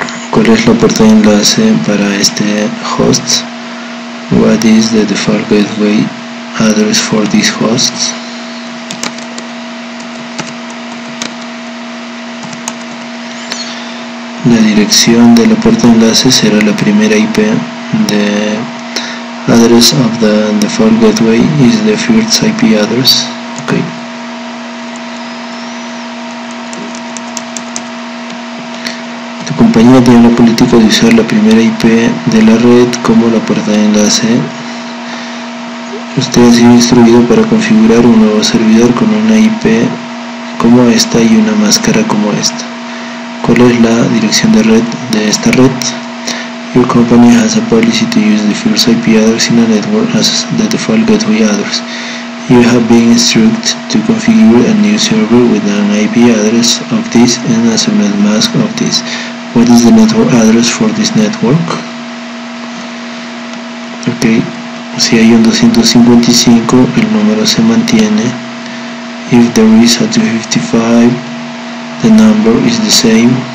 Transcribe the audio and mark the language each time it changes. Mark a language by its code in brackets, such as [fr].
[es] ¿Cuál es la puerta de enlace para este host? [en] What is the default gateway address for this host? [es] La dirección de la puerta de enlace será la primera IP. [en] The address of the default gateway is the first IP address. Okay. [es] Compañía tiene la política de usar la primera IP de la red como la puerta de enlace. Usted ha sido instruido para configurar un nuevo servidor con una IP como esta y una máscara como esta. ¿Cuál es la dirección de red de esta red? [en] Your company has a policy to use the first IP address in a network as the default gateway address. You have been instructed to configure a new server with an IP address of this and a subnet mask of this. What is the network address for this network? [es] Ok, si hay un 255, el número se mantiene. [en] If there is a 255, the number is the same.